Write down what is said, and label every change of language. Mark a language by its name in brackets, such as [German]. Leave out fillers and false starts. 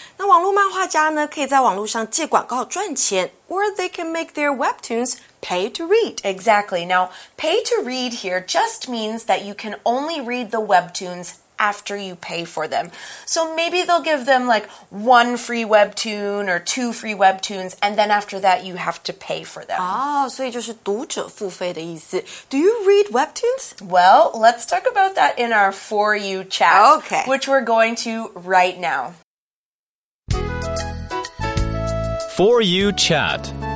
[Chinese] 那网络漫画家呢可以在网络上借广告赚钱 ， [English] or they can make their webtoons pay to read. Exactly. Now, pay to read here just means that you can only read the webtoons after you pay for them. So maybe they'll give them like one free webtoon or two free webtoons, and then after that you have to pay for them. [Chinese] 所以就是读者付费的意思。 [English] Do you read webtoons? Well, let's talk about that in our For You chat, okay. which we're going to right now. For You chat.